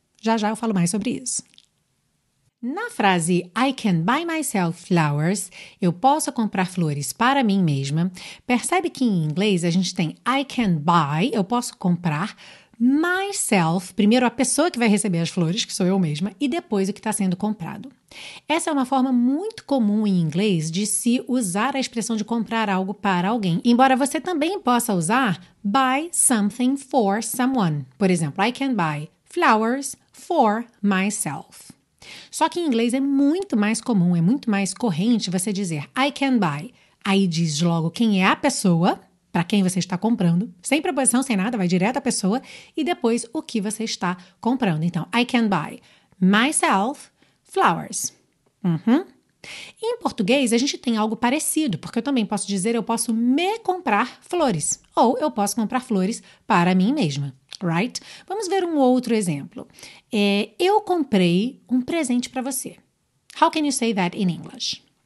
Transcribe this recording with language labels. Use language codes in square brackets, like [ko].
[pt] Já já eu falo mais sobre isso. Na frase [en] I can buy myself flowers, [pt] eu posso comprar flores para mim mesma, percebe que em inglês a gente tem [en] I can buy, [pt] eu posso comprar, myself, primeiro a pessoa que vai receber as flores, que sou eu mesma, e depois o que está sendo comprado. Essa é uma forma muito comum em inglês de se usar a expressão de comprar algo para alguém, embora você também possa usar [en] buy something for someone. [pt] Por exemplo, [en] I can buy flowers for myself. [pt] Só que em inglês é muito mais comum, é muito mais corrente você dizer [en] I can buy. [pt] Aí diz logo quem é a pessoa para quem você está comprando, sem preposição, sem nada, vai direto à pessoa, e depois o que você está comprando. [en] Então, I can buy myself flowers. [pt] Em português, a gente tem algo parecido, porque eu também posso dizer eu posso me comprar flores, ou eu posso comprar flores para mim mesma, right? Vamos ver um outro exemplo. Eu comprei um presente para você. [en] How can you say that in English?